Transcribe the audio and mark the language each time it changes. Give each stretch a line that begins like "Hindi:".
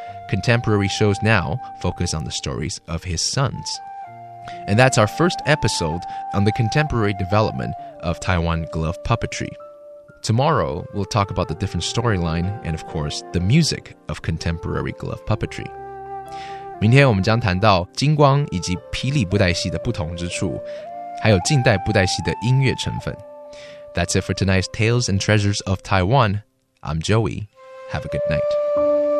English: Contemporary shows now focus on the stories of his sons. And that's our first episode on the contemporary development of Taiwan glove puppetry. Tomorrow, we'll talk about the different storyline and, of course, the music of contemporary glove puppetry.
Chinese: 明天我们将谈到金光以及霹雳布袋戏的不同之处，还有近代布袋戏的音乐成分。
English: That's it for tonight's Tales and Treasures of Taiwan. I'm Joey. Have a good night.